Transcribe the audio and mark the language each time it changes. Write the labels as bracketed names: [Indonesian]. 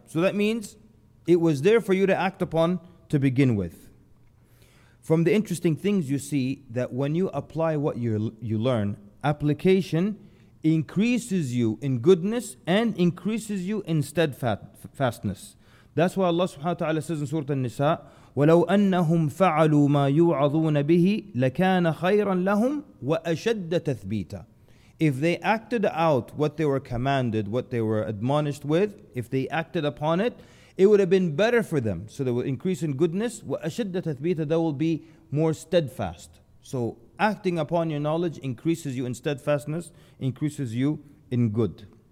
[English] So that means it was there for you to act upon to begin with. From the interesting things, you see that when you apply what you learn, application increases you in goodness and increases you in steadfastness. That's why Allah subhanahu wa ta'ala says in Surah An-Nisa, [Arabic] وَلَوْ أَنَّهُمْ فَعَلُوا مَا يُوعَظُونَ بِهِ لَكَانَ خَيْرًا لَهُمْ وَأَشَدَّ تَثْبِيتًا. [English] If they acted out what they were commanded, what they were admonished with, if they acted upon it, it would have been better for them. So they will increase in goodness. [Arabic] وَأَشَدَّ تَثْبِيتًا. [English] They will be more steadfast. So acting upon your knowledge increases you in steadfastness, increases you in good.